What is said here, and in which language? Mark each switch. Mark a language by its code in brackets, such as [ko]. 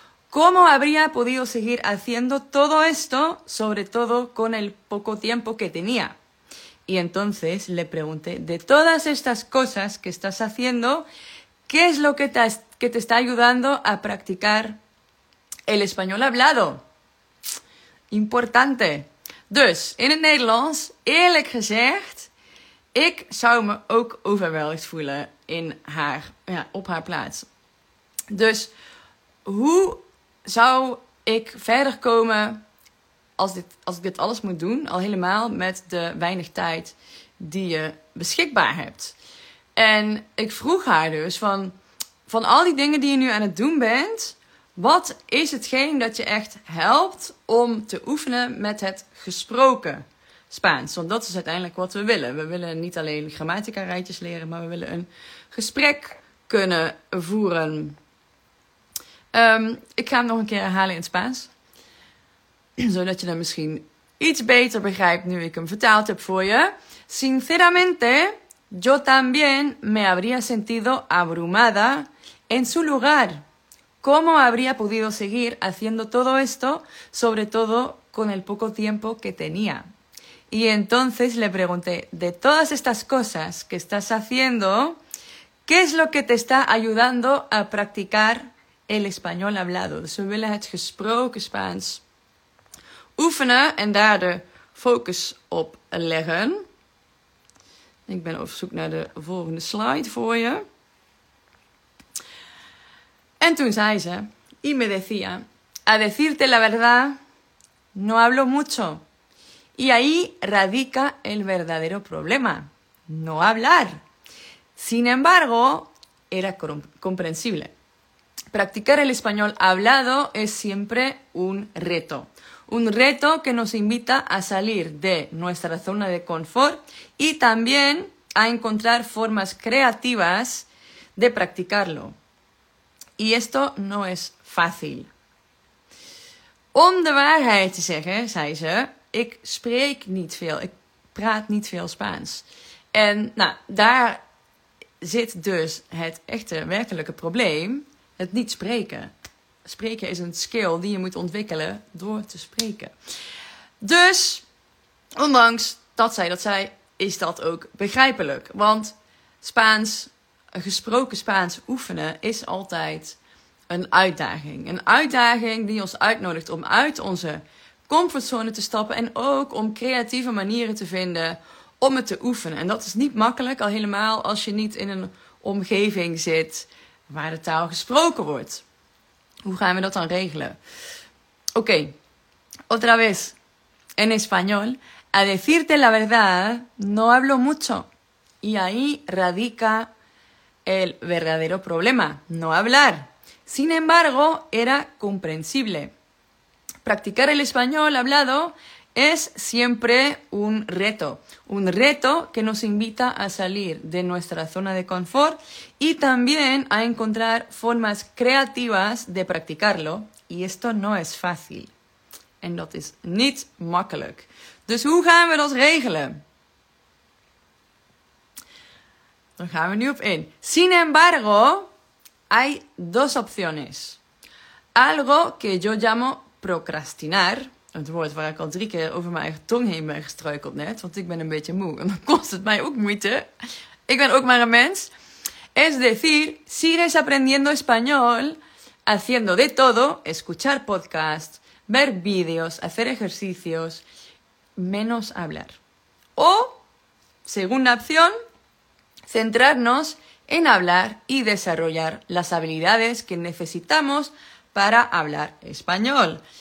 [es] ¿Cómo habría podido seguir haciendo todo esto, sobre todo con el poco tiempo que tenía? Y entonces le pregunté, de todas estas cosas que estás haciendo, ¿qué es lo que te está ayudando a practicar el español hablado? Importante. [nl] Dus, in het Nederlands, eerlijk gezegd, ik zou me ook overweldigd voelen in haar, ja, op haar plaats. Dus, hoe zou ik verder komen als ik dit alles moet doen, al helemaal met de weinig tijd die je beschikbaar hebt? En ik vroeg haar dus, van al die dingen die je nu aan het doen bent, wat is hetgeen dat je echt helpt om te oefenen met het gesproken Spaans? Want dat is uiteindelijk wat we willen. We willen niet alleen grammatica rijtjes leren, maar we willen een gesprek kunnen voeren. Ik ga hem nog een keer herhalen in het Spaans. Zodat je hem misschien iets beter begrijpt nu ik hem vertaald heb voor je. [es] Sinceramente, yo también me habría sentido abrumada en su lugar. ¿Cómo habría podido seguir haciendo todo esto, sobre todo con el poco tiempo que tenía? Y entonces le pregunté, de todas estas cosas que estás haciendo, ¿Qué es lo que te está ayudando a practicar el español hablado? [nl] Dus we willen het gesproken Spaans oefenen en daar de focus op leggen. Ik ben op zoek naar de volgende slide voor je. En toen zei ze, [es] y me decía, a decirte la verdad, no hablo mucho. Y ahí radica el verdadero problema, no hablar. Sin embargo, era comprensible. Practicar el español hablado es siempre un reto. Un reto que nos invita a salir de nuestra zona de confort y también a encontrar formas creativas de practicarlo. Y esto no es fácil. [nl] Om de waarheid te zeggen, zei ze, ik spreek niet veel, ik praat niet veel Spaans. En nou, daar zit dus het echte werkelijke probleem, het niet spreken. Spreken is een skill die je moet ontwikkelen door te spreken. Dus, ondanks dat zij, is dat ook begrijpelijk. Want Spaans, gesproken Spaans oefenen is altijd een uitdaging. Een uitdaging die ons uitnodigt om uit onze comfortzone te stappen en ook om creatieve manieren te vinden om het te oefenen. En dat is niet makkelijk, al helemaal als je niet in een omgeving zit waar de taal gesproken wordt. Hoe gaan we dat dan regelen? [es] Oké, otra vez, en español. A decirte la verdad, no hablo mucho. Y ahí radica el verdadero problema, no hablar. Sin embargo, era comprensible. Practicar el español hablado es siempre un reto. Un reto que nos invita a salir de nuestra zona de confort y también a encontrar formas creativas de practicarlo. Y esto no es fácil. [nl] En dat is niet makkelijk. Dus hoe gaan we dat regelen? Dan gaan we nu op in. [es] Sin embargo, hay dos opciones. Algo que yo llamo procrastinar. [nl] Het woord waar ik al 3 keer over mijn eigen tong heen ben gestruikeld net. Want ik ben een beetje moe. En dan kost het mij ook moeite. Ik ben ook maar een mens. [es] Es decir, sigues aprendiendo español, haciendo de todo, escuchar podcast, ver vídeos, hacer ejercicios, menos hablar. O, segunda opción, centrarnos en hablar y desarrollar las habilidades que necesitamos para hablar español.